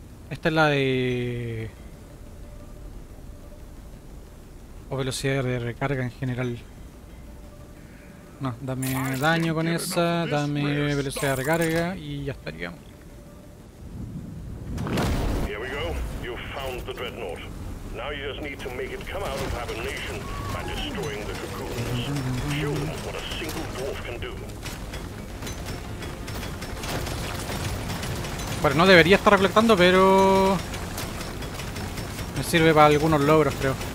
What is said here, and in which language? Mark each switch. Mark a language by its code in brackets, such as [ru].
[es] Esta es la de... O velocidad de recarga en general. No, dame daño con esa, dame velocidad de recarga y ya estaríamos. [en] Here we go. You found the dreadnought. Now you just need to make it come out of hibernation by destroying the cocoons. Show them what a single dwarf can do. [es] Bueno, no debería estar reflectando, pero me sirve para algunos logros, creo.